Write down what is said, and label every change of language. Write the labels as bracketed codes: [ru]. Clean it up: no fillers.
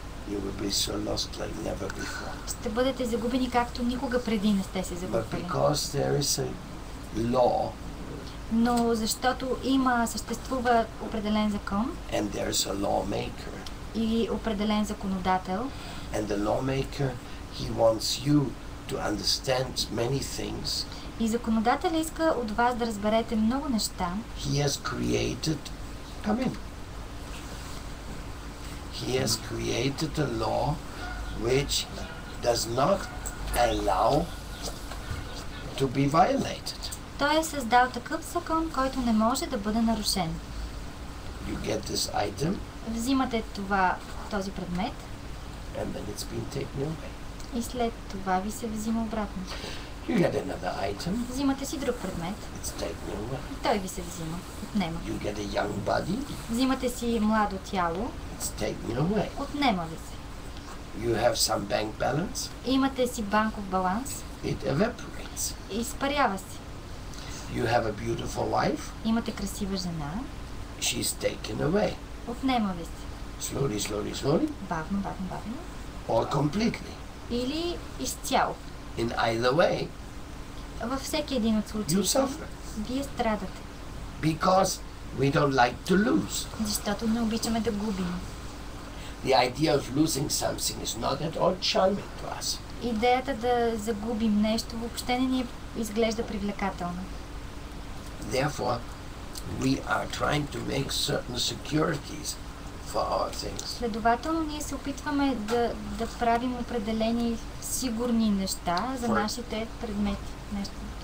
[en] You will be so lost like never before. [bg] Ще бъдете загубени както никога преди не сте се загубили. [en] But because there is a law. [bg] Но защото има, съществува определен закон. [en] And there is a lawmaker. [bg] И определен законодател. [en] And the lawmaker, he wants you to understand many things. [bg] И законодателя иска от вас да разберете много неща. [en] He has created. Come in. He has created a law which does not allow to be violated. [bg] Той е създал такъв закон, който не може да бъде нарушен. [en] You get this item. [bg] Взимате това, този предмет. [en] And then it's been taken away. [bg] И след това ви се взима обратно. [en] You get another item. [bg] Взимате си друг предмет. [en] It's taken away. [bg] И той ви се взима, отнема. [en] You get a young body. [bg] Взимате си младо тяло. [en] It's taken away. [bg] Отнема ви се. [en] You have some bank balance. [bg] Имате си банков баланс. [en] It evaporates. [bg] Изпарява се. [en] You have a beautiful wife. [bg] Имате красива жена. [en] She's taken away. [bg] Отнема ви се. [en] Slowly, slowly, slowly. [bg] Бавно, бавно, бавно. [en] Or completely. [bg] Или изцяло. [en] In either way. [bg] Във всеки един от случаите. [en] You suffer. [bg] Вие страдате. [en] Because we don't like to lose. [bg] Защото не обичаме да губим. [en] The idea of losing something is not at all charming to us. [bg] Идеята да загубим нещо въобще не ни изглежда привлекателно. [en] Therefore, we are trying to make certain securities. [bg] Следователно, ние се опитваме да правим определени сигурни неща за нашите предмети, неща.